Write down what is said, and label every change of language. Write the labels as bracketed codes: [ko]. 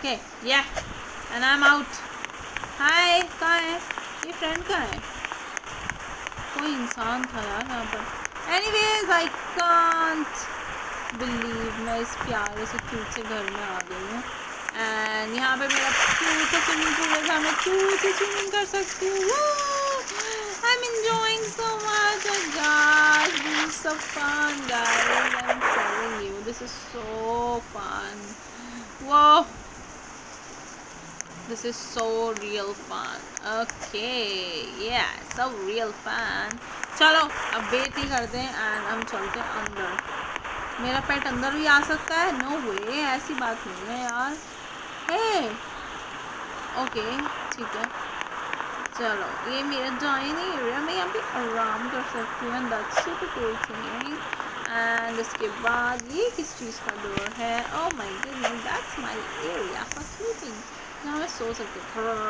[en] Okay या and I am out. [hi] हाय, कहाँ है ये फ्रेंड, कहाँ है? कोई इंसान था यार यहाँ पर। [en] anyways I can't believe [hi] मैं इस प्यारे से क्यूट से घर में आ गई हूँ, एंड यहाँ पे मेरा क्यूट से स्विमिंग पूल है, मैं क्यूट से स्विमिंग कर सकती हूँ। [en] I'm enjoying so much, oh god, this is so fun guys, I'm telling you, this is so fun, wow, this is so real fun, okay, yeah, so real fun, [hi] चलो अब wait ही करते हैं and हम चलते हैं अंदर। मेरा पेट अंदर भी आ सकता है? नो वे, ऐसी बात नहीं है यार। हे ओके ठीक है चलो, ये मेरा जॉइन एरिया, मैं यहाँ पे आराम कर सकती हूँ, [en] That's super cool thing. [hi] And उसके बाद ये किस चीज़ का डोर है? [en] oh my goodness, that's my area for sleeping, [hi] यहाँ मैं सो सकती हूँ।